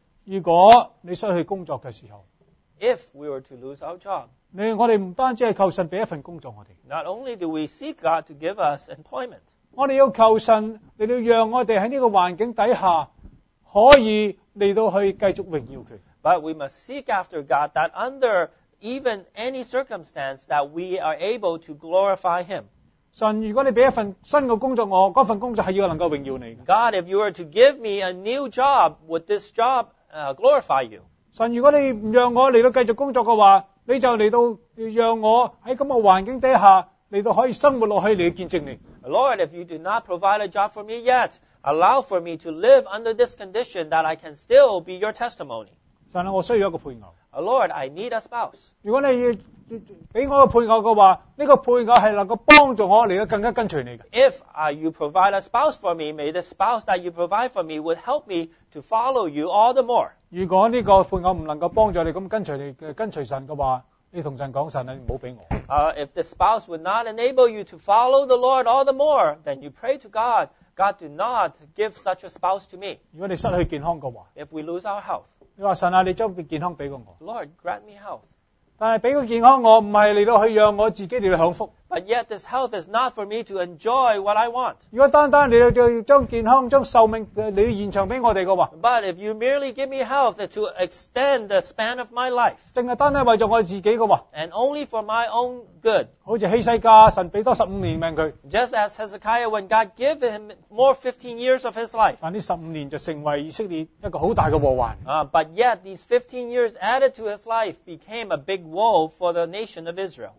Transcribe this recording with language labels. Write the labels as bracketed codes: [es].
[yue] 如果你失去工作嘅时候 [en] ，If we were to lose our job， [yue] 我哋唔单止系求神俾一份工作我哋 [en] ，Not only do we seek God to give us employment， [yue] 我哋要求神嚟到让我哋喺呢个环境底下可以嚟到去继续荣耀佢。 [en] But we must seek after God that under even any circumstance that we are able to glorify Him。 [yue] 神，如果你俾一份新嘅工作我，嗰份工作系要能够荣耀你。 [en] God, if you were to give me a new job, would this job glorify you? [yue] 神，如果你唔让我嚟到继续工作嘅话，你就嚟到让我喺咁嘅环境底下嚟到可以生活落去，嚟见证你。 [en] Lord, if you do not provide a job for me yet, allow for me to live under this condition that I can still be your testimony. [yue] 神啊，我需要一个配偶。 [en] Lord, I need a spouse. [yue] 如果你要俾我个配偶嘅话， 呢个配偶系能够帮助我嚟更加跟随你嘅。 [en] If you provide a spouse for me, may the spouse that you provide for me would help me to follow you all the more. [yue] 如果呢个配偶唔能够帮助你咁跟随神嘅话， 你同神讲神啊，唔好俾我。 [en] If the spouse would not enable you to follow the Lord all the more, then you pray to God, God, do not give such a spouse to me. [yue] 如果你失去健康嘅话， [en] if we lose our health, [yue] 你话神啊，你将健康俾过我。 [en] Lord, grant me health. [yue] 但系俾个健康我，唔系嚟到去让我自己嚟享福。 [en] But yet this health is not for me to enjoy what I want. [yue] 如果单单你就将健康、将寿命你延长俾我哋嘅话， [en] but if you merely give me health to extend the span of my life, [yue] 净系单单为咗我自己嘅话， [en] and only for my own good, [yue] 好似希西家神俾多15年命佢， [en] just as Hezekiah when God gave him more 15 years of his life, [yue] 但呢15年就成为以色列一个好大嘅祸患。 [en] But yet these 15 years added to his life became a big woe for the nation of Israel.